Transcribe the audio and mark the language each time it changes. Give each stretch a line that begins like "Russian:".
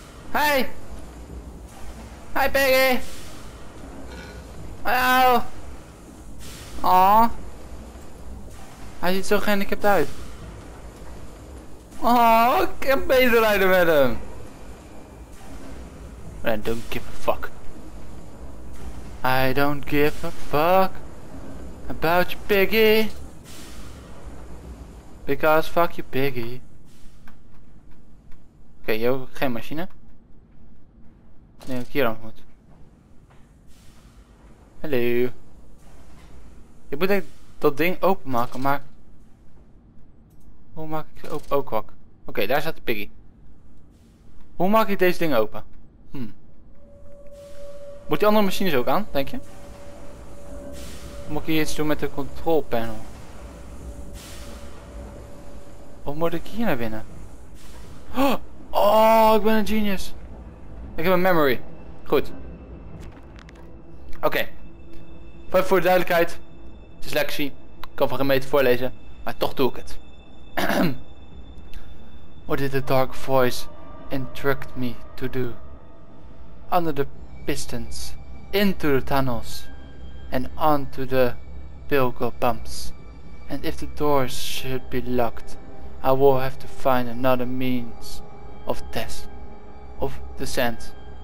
Dutch: Hey Peggy. Hallo. Aw. Hij ziet zo gehandicapt uit. Aw, ik heb medelijden met hem.
English: I don't give a fuck. I don't give a fuck about you, Piggy. Because fuck you, Piggy.
Dutch: Oké, je hebt geen machine. Nee, ik hier aan moet. Hallo. Je moet denk ik dat ding openmaken, maar hoe maak ik ze open? Oh, kwak. Oké, daar staat de Piggy. Hoe maak ik deze ding open? Moet die andere machines ook aan, denk je? Moet ik hier iets doen met de control panel? Of moet ik hier naar binnen? Oh, ik ben een genius. Ik heb een memory. Goed. Oké. Okay. Even voor de duidelijkheid. Dyslexie. Ik kan van geen meter voorlezen. Maar toch doe ik het.
English: What did the dark voice instruct me to do? Under the pistons, into the tunnels, and onto the bilgo pumps. And if the doors should be locked, I will have to find another means of death, of descent.